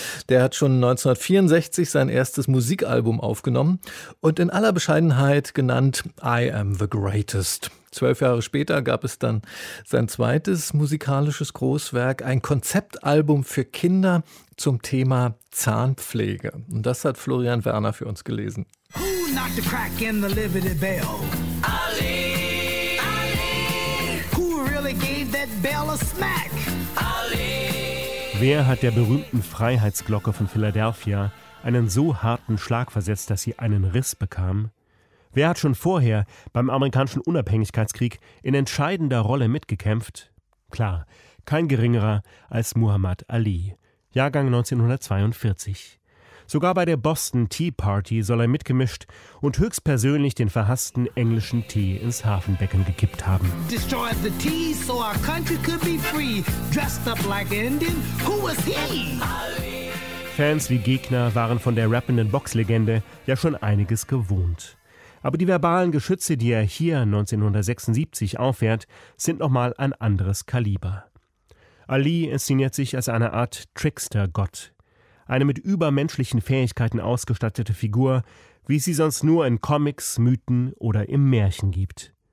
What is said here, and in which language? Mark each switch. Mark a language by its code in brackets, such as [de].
[de] Der hat schon 1964 sein erstes Musikalbum aufgenommen und in aller Bescheidenheit genannt » [en] I am the greatest«. [de] 12 Jahre später gab es dann sein zweites musikalisches Großwerk, ein Konzeptalbum für Kinder zum Thema Zahnpflege. Und das hat Florian Werner für uns gelesen. [en] Who knocked the crack in the Liberty Bell? Ali! Ali! Who really gave that bell a smack? Ali! [de] Wer hat der berühmten Freiheitsglocke von Philadelphia einen so harten Schlag versetzt, dass sie einen Riss bekam? Wer hat schon vorher beim amerikanischen Unabhängigkeitskrieg in entscheidender Rolle mitgekämpft? Klar, kein geringerer als Muhammad Ali, Jahrgang 1942. Sogar bei der Boston Tea Party soll er mitgemischt und höchstpersönlich den verhassten englischen Tee ins Hafenbecken gekippt haben. [en] Destroyed the tea so our country could be free. Dressed up like an Indian, who was he? [de] Fans wie Gegner waren von der rappenden Boxlegende ja schon einiges gewohnt. Aber die verbalen Geschütze, die er hier 1976 auffährt, sind nochmal ein anderes Kaliber. Ali inszeniert sich als eine Art Trickster-Gott. Eine mit übermenschlichen Fähigkeiten ausgestattete Figur, wie sie sonst nur in Comics, Mythen oder im Märchen gibt.